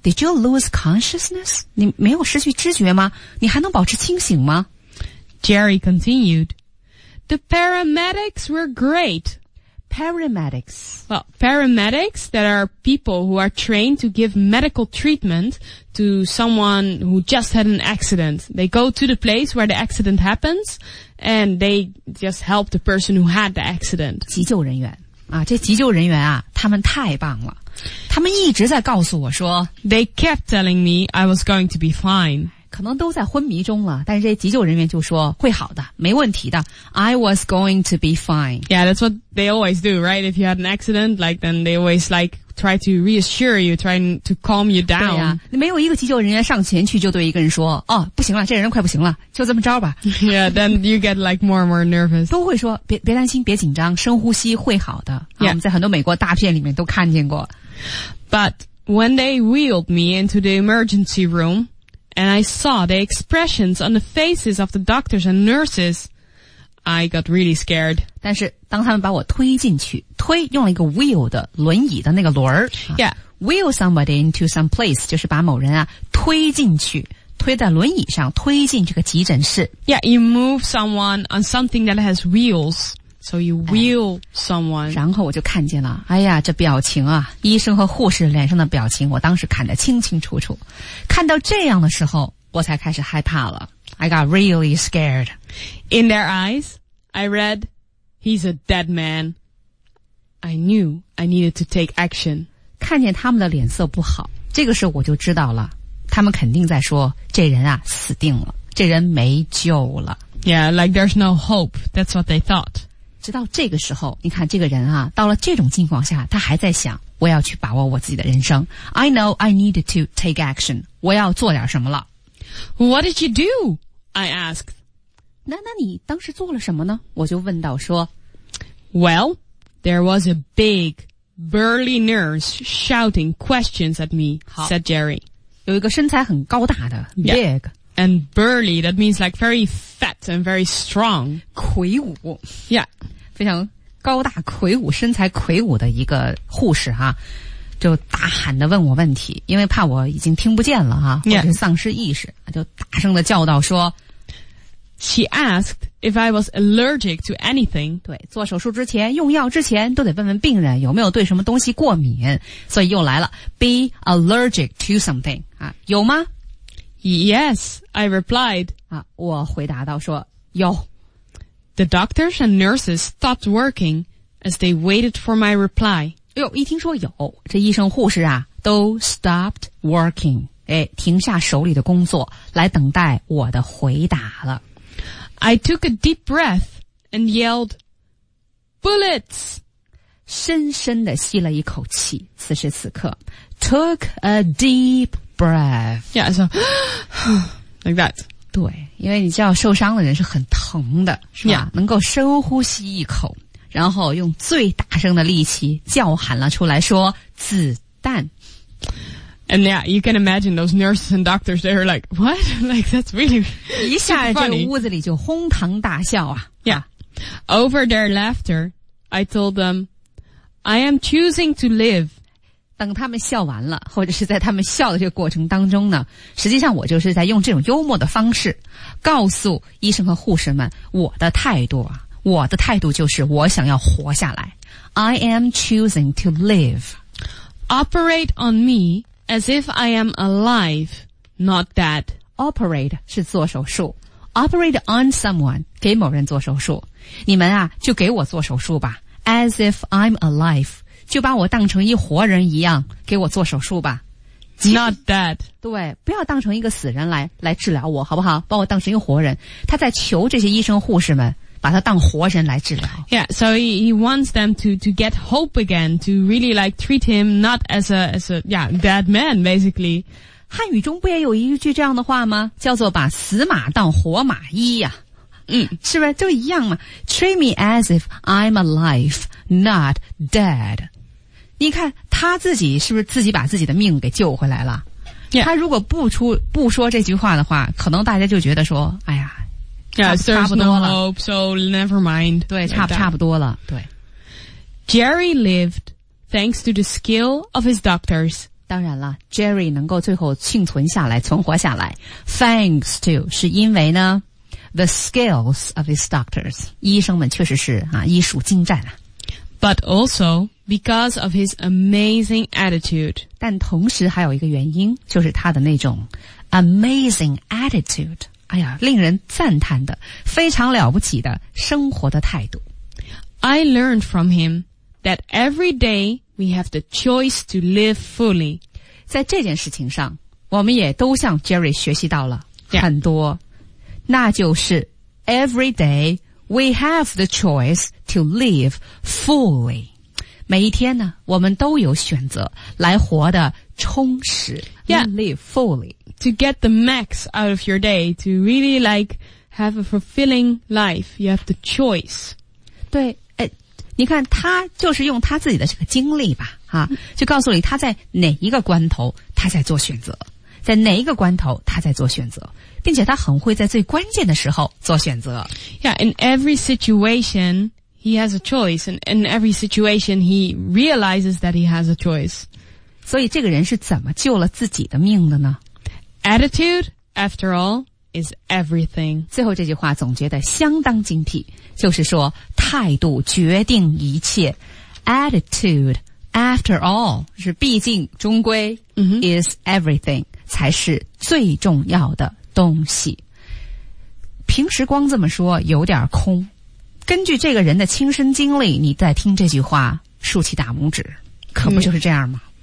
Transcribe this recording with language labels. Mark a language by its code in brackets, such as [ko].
[en] Did you lose consciousness? [zh] 你没有失去知觉吗?你还能保持清醒吗? [en] Jerry continued. The paramedics were great. Paramedics. Well, paramedics that are people who are trained to give medical treatment to someone who just had an accident. They go to the place where the accident happens and they just help the person who had the accident. [zh] 急救人员。这急救人员啊,他们太棒了。他们一直在告诉我说, [en] They kept telling me I was going to be fine. [zh] 可能都在昏迷中了，但是这些急救人员就说会好的，没问题的。 [en] I was going to be fine. Yeah, that's what they always do, right? If you had an accident, like, then they always like try to reassure you, trying to calm you down. [zh] 对呀、啊，没有一个急救人员上前去就对一个人说，哦，不行了，这人快不行了，就这么着吧。 [en] Yeah, then you get like more and more nervous. [zh] 都会说别担心，别紧张，深呼吸会好的。 [en] Yeah. [zh] 我们在很多美国大片里面都看见过。 [en] But when they wheeled me into the emergency room,And I saw the expressions on the faces of the doctors and nurses. I got really scared. [zh] 但是当他们把我推进去，推用了一个 wheel 的轮椅的那个轮儿。 [en] Yeah. Wheel somebody into some place, [zh] 就是把某人啊推进去，推在轮椅上，推进这个急诊室。 [en] Yeah, you move someone on something that has wheels. So you wheel someone. [zh] 然后我就看见了，哎呀，这表情啊，医生和护士脸上的表情，我当时看得清清楚楚。看到这样的时候，我才开始害怕了。 [en] I got really scared. In their eyes, I read, he's a dead man. I knew I needed to take action. [zh] 看见他们的脸色不好，这个时候我就知道了，他们肯定在说，这人啊，死定了，这人没救了。 [en] Yeah, like there's no hope. That's what they thought. [zh] 直到这个时候，你看这个人啊，到了这种境况下，他还在想，我要去把握我自己的人生。 [en] I know I need to take action. [zh] 我要做点什么了。 [en] What did you do? I asked. [zh] 那你当时做了什么呢？我就问到说。 [en] Well, there was a big, burly nurse shouting questions at me, said Jerry. [zh] 有一个身材很高大的 ,big.、 [en] Yeah. And burly, that means like very fat and very strong. [zh] 魁梧。 [en] Yeah. [zh] 非常高大魁梧，身材魁梧的一个护士啊，就大喊地问我问题，因为怕我已经听不见了啊，或者是丧失意识，就大声地叫道说。 [en] She asked if I was allergic to anything. [zh] 对，做手术之前，用药之前，都得问问病人有没有对什么东西过敏。所以又来了 , [en] be allergic to something. [zh] 啊，有吗？ [en] Yes, I replied. [zh] 啊，我回答到说，有。 [en] The doctors and nurses stopped working as they waited for my reply. [zh] 哎呦，一听说有，这医生护士啊，都 [en] stopped working. [zh] 哎，停下手里的工作，来等待我的回答了。 [en] I took a deep breath and yelled, Bullets! [zh] 深深地吸了一口气，此时此刻 , [en] took a deep breath. Breath. Yeah, so, like that. [zh] 对，因为你知道受伤的人是很疼的，是吧？ [en] Yeah. [zh] 能够深呼吸一口，然后用最大声的力气叫喊了出来说，子弹。 [en] And yeah, you can imagine those nurses and doctors, they were like, what? Like, that's really, really funny. [zh] 一下这屋子里就哄堂大笑啊。 [en] Yeah. Over their laughter, I told them, I am choosing to live. [zh] 等他们笑完了，或者是在他们笑的这个过程当中呢，实际上我就是在用这种幽默的方式告诉医生和护士们我的态度啊，我的态度就是我想要活下来。 [en] I am choosing to live. Operate on me as if I am alive, not dead. [zh] Operate 是做手术。 Operate on someone, 给某人做手术。你们啊，就给我做手术吧。 [en] As if I'm alive. [zh] 就把我当成一活人一样给我做手术吧。 [en] Not dead. [zh] 对，不要当成一个死人来治疗我，好不好？把我当成一个活人。他在求这些医生护士们把他当活人来治疗。 [en] Yeah, so he wants them to get hope again, to really like treat him not as a, yeah, dead man, basically. [zh] 汉语中不也有一句这样的话吗？叫做把死马当活马医呀、啊。嗯，是不是就一样嘛 [en] ？Treat me as if I'm alive, not dead. [zh] 你看他自己是不是自己把自己的命给救回来了？ [en] Yeah. [zh] 他如果不说这句话的话，可能大家就觉得说，哎呀， [en] yeah, [zh] 差不多了。 [en] No hope, so never mind. [zh] 对，差不多了。对。 [en] Jerry lived thanks to the skill of his doctors. [zh] 当然了 ，Jerry 能够最后幸存下来，存活下来 ， [en] thanks to [zh] 是因为呢。 [en] The skills of his doctors. [zh] 医生们确实是啊，医术精湛啊。 [en] But also because of his amazing attitude. [zh] 但同时还有一个原因，就是他的那种 [en] amazing attitude. [zh] 哎呀，令人赞叹的，非常了不起的生活的态度。 I learned from him that every day we have the choice to live fully. 在这件事情上，我们也都向 Jerry 学习到了。很多。那就是 [en] every day we have the choice to live fully. [zh] 每一天呢我们都有选择来活得充实。 [en] Yeah. Live fully. To get the max out of your day, to really like have a fulfilling life, you have the choice. [zh] 对。你看他就是用他自己的这个经历吧啊，就告诉你他在哪一个关头他在做选择，在哪一个关头他在做选择，并且他很会在最关键的时候做选择。 [en] Yeah, in every situation he has a choice, and in every situation he realizes that he has a choice. [zh] 所以这个人是怎么救了自己的命的呢？ [en] Attitude, after all, is everything. [zh] 最后这句话总结得相当精辟，就是说态度决定一切。 [en] Attitude, after all, [zh] 是毕竟终归、 mm-hmm. [en] is everything, [zh] 才是最重要的东西。平时光这么说有点空，根据这个人的亲身经历，你再听这句话竖起大拇指，可不就是这样吗、